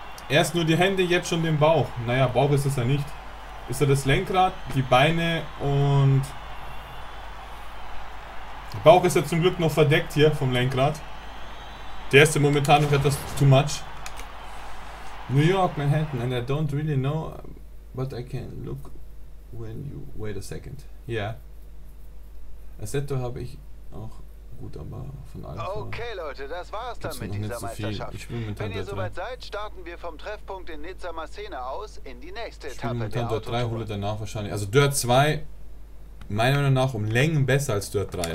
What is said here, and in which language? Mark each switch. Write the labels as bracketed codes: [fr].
[de] Erst nur die Hände, jetzt schon den Bauch. Naja, Bauch ist es ja nicht. Ist er das Lenkrad, die Beine und... Bauch ist ja zum Glück noch verdeckt hier vom Lenkrad. Der ist momentan noch etwas [en] too much. New York, Manhattan, and I don't really know, but I can look when you wait a second. Yeah. [de] Assetto habe ich auch gut, aber von allen. Okay, Leute, das war's dann mit dieser Meisterschaft. Wenn ihr soweit seid, starten wir vom Treffpunkt in Nizza Massena aus in die nächste Etappe. Ich spiele momentan Dirt 3, hole danach wahrscheinlich. Also Dirt 2, meiner Meinung nach, um Längen besser als Dirt 3.